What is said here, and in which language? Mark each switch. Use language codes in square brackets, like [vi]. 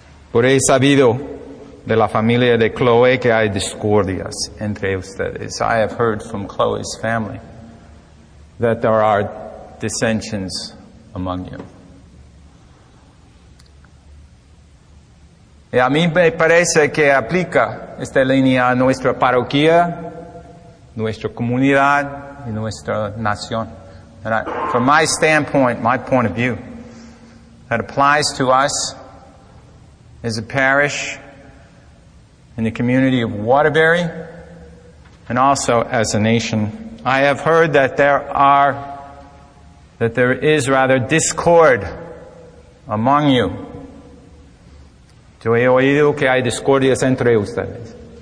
[es] Por he sabido de la familia de Chloe que hay discordias entre ustedes. [en] I have heard from Chloe's family that there are dissensions among you. [es] Y a mí me parece que aplica esta línea a nuestra parroquia, nuestra comunidad, en nuestra nación. [en] And from my standpoint, my point of view, that applies to us as a parish in the community of Waterbury and also as a nation. I have heard that there is discord among you. [es] Yo he oído que hay discordias entre ustedes.